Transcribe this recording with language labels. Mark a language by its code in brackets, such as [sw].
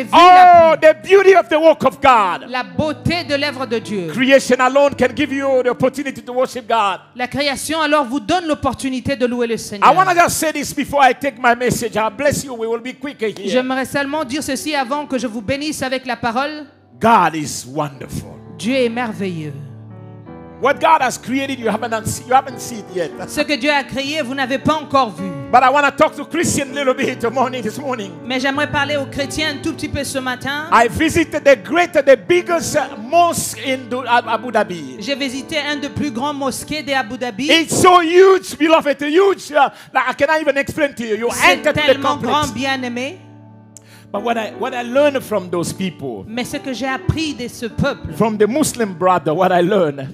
[en] Oh, the beauty of the work of God. [fr] La beauté de l'œuvre de Dieu. [en] Creation alone can give you the opportunity to worship God. [fr] La création alors vous donne l'opportunité de louer le Seigneur. [en] I want to just say this before I take my message. I bless you. We will be quick here. [fr] J'aimerais seulement dire ceci avant que je vous bénisse avec la parole. [en] God is wonderful. [fr] Dieu est merveilleux. [en] What God has created, you haven't seen it yet. [fr] Ce que Dieu a créé, vous n'avez pas encore vu. [en] But I want to talk to Christian a little bit this morning. [fr] Mais j'aimerais parler aux chrétiens un tout petit peu ce matin. [en] I visited the biggest mosque in Abu Dhabi. [fr] J'ai visité un des plus grands mosquées d'Abu Dhabi. [en] It's so huge, beloved, huge. Like, I cannot even explain to you. [fr] C'est tellement grand, bien aimé. [en] But what I learned from those people. [fr] Mais ce que j'ai appris de ce peuple. [en] From the Muslim brother, what I learned.